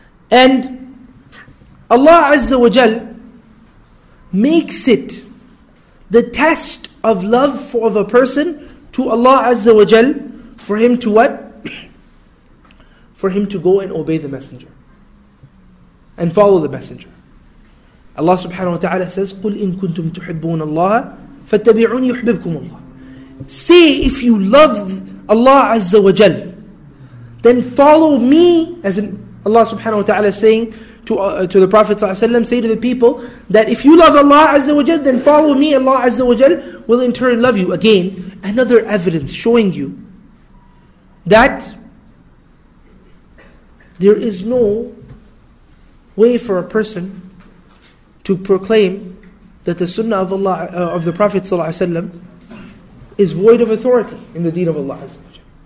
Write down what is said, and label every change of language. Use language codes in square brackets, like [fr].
[en] And Allah Azza wa Jal makes it the test of love of a person to Allah Azza wa Jal for him to what? For him to go and obey the Messenger and follow the Messenger. [ar] Allah subhanahu wa ta'ala says, قُلْ إِن كُنْتُمْ تُحِبُّونَ اللَّهَ فَاتَّبِعُونِ يُحْبِبْكُمُ اللَّهِ. [en] Say, if you love Allah Azza wa Jal, then follow me, as in Allah subhanahu wa ta'ala saying to the Prophet sallallahu alaihi wasallam, say to the people that if you love Allah Azza wa Jal, then follow me, Allah Azza wa Jal will in turn love you. Again, another evidence showing you that there is no way for a person to proclaim that the sunnah of Allah of the Prophet sallallahu alaihi wasallam is void of authority in the deen of Allah Azza wa Jal.